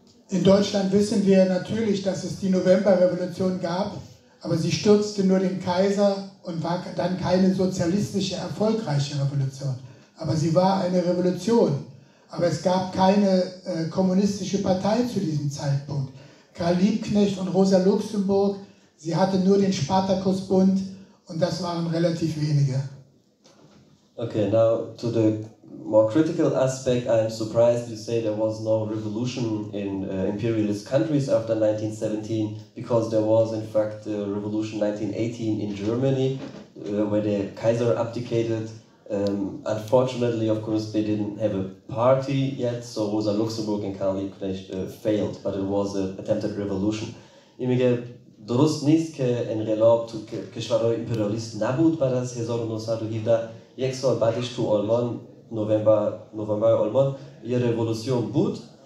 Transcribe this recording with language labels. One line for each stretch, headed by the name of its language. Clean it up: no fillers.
German: In Deutschland wissen wir natürlich, dass es die Novemberrevolution gab, aber sie stürzte nur den Kaiser und war dann keine sozialistische, erfolgreiche Revolution. Aber sie war eine Revolution. Aber es gab keine kommunistische Partei zu diesem Zeitpunkt. Karl Liebknecht und Rosa Luxemburg, sie hatten nur den Spartakusbund und das waren relativ wenige.
English: Okay, now to the more critical aspect, I'm surprised you say there was no revolution in imperialist countries after 1917, because there was in fact a revolution 1918 in Germany, where the Kaiser abdicated. Unfortunately, of course, they didn't have a party yet, so Rosa Luxemburg and Karl Liebknecht failed, but it was an attempted revolution.
Persian: این میگه درست نیست که انقلاب تو کشورهای امپریالیست نبود بعد از 1917. یک سال بعدش تو آلمان، نوامبر آلمان یه رولوسیون بود.